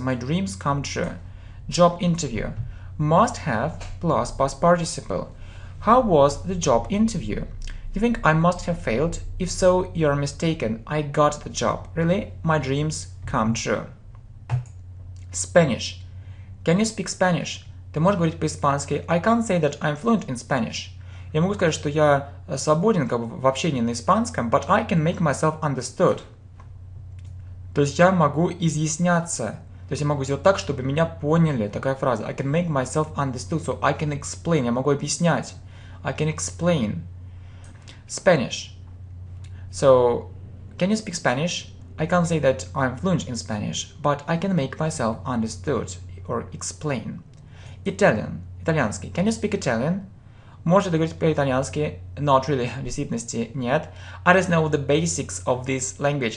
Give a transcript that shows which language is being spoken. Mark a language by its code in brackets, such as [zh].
[en] My dreams come true. Job interview. Must have plus past participle. How was the job interview? You think I must have failed? If so, you're mistaken. I got the job. Really? My dreams come true. Spanish. Can you speak Spanish? [ru] Ты можешь говорить по-испански? [en] I can't say that I'm fluent in Spanish. [ru] Я могу сказать, что я свободен как бы в общении на испанском, [en] but I can make myself understood. [ru] То есть я могу изъясняться. То есть я могу сделать так, чтобы меня поняли. Такая фраза. [en] I can make myself understood. So I can explain. [ru] Я могу объяснять. [en] I can explain. Spanish. So, can you speak Spanish? I can't say that I'm fluent in Spanish, but I can make myself understood or explain. Italian. Итальянский. Can you speak Italian? [ru] Можешь ли ты говорить по-итальянски? [en] Not really. [ru] В действительности нет. [en] I just know the basics of this language.